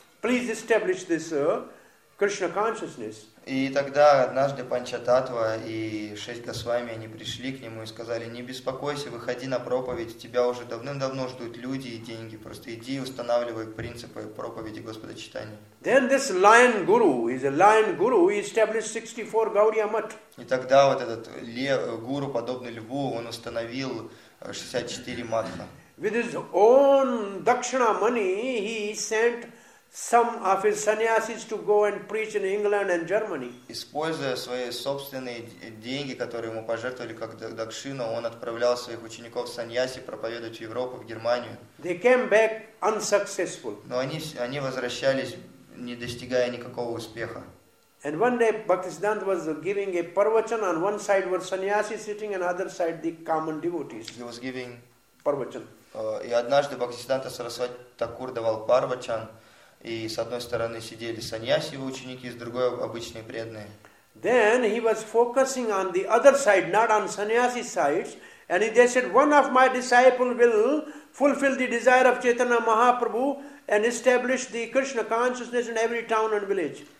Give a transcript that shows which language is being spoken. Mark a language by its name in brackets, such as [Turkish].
[English] Please establish this Krishna consciousness. [Russian] И тогда однажды Панчататва и шесть Госвами, они пришли к нему и сказали, не беспокойся, выходи на проповедь, тебя уже давным-давно ждут люди и деньги, просто иди и устанавливай принципы проповеди Господа Читания. [English] Then this lion guru, he's a lion guru, he established 64 Gaudiya Math. [Russian] И тогда вот этот гуру, подобный льву, он установил 64 матха. [English] With his own dakshina money, he sent some of his sannyasis to go and preach in England and Germany. [Russian] Используя свои собственные деньги, которые ему пожертвовали как дакшина, он отправлял своих учеников саньяси проповедовать в Европу, в Германию. [English] They came back unsuccessful. [Russian] Но они возвращались, не достигая никакого успеха. [English] And one day Bhaktisiddhanta was giving a parvachan. On one side were sannyasis sitting, and on other side the common devotees. He was giving parvachan. [Russian] И однажды Бхактисиддханта Сарасвати Такур давал парвачан. И с одной стороны сидели саньяси, его ученики, с другой обычные преданные. [English] Then he was focusing on the other side, not on sannyasi sides, and they said, one of my disciples will fulfill the desire of Chaitanya Mahaprabhu and establish the Krishna consciousness in every town and village.